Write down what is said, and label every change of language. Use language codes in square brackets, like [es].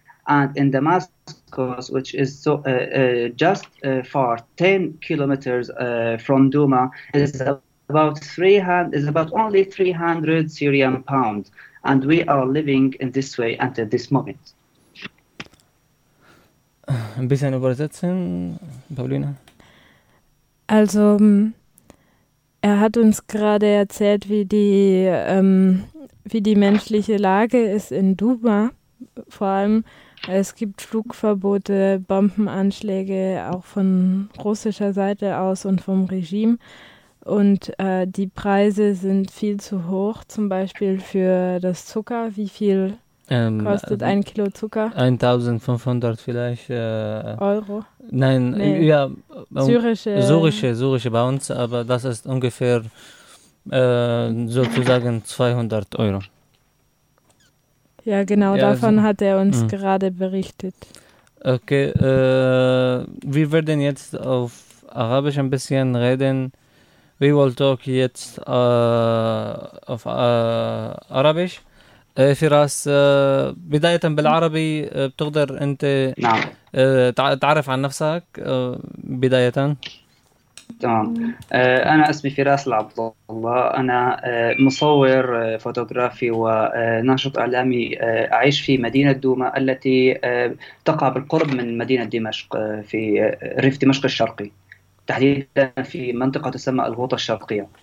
[en] And in Damascus, which is far 10 kilometers from Douma, is about only 300 Syrian pounds. And we are living in this way until this moment. [de] Ein bisschen übersetzen, Paulina. Also, er hat uns gerade erzählt, wie die menschliche Lage ist in Douma, vor allem. Es gibt Flugverbote, Bombenanschläge auch von russischer Seite aus und vom Regime. Und die Preise sind viel zu hoch, zum Beispiel für das Zucker. Wie viel kostet ein Kilo Zucker? 1.500 vielleicht. Euro? Nein, nee. Ja. Syrische bei uns, aber das ist ungefähr sozusagen 200 Euro. Ja, genau, ja, davon also, hat er uns gerade berichtet. Okay, wir werden jetzt auf Arabisch ein bisschen reden. [en] We will talk [de] jetzt auf Arabisch. [ar] فراس، بداية بالعربي بتقدر أنت نعم تعرف عن نفسك بداية؟ تمام. أنا اسمي فراس العبد الله، أنا مصور فوتوغرافي وناشط إعلامي، أعيش في مدينة دوما التي تقع بالقرب من مدينة دمشق في ريف دمشق الشرقي، تحديدا في منطقة تسمى الغوطة الشرقية.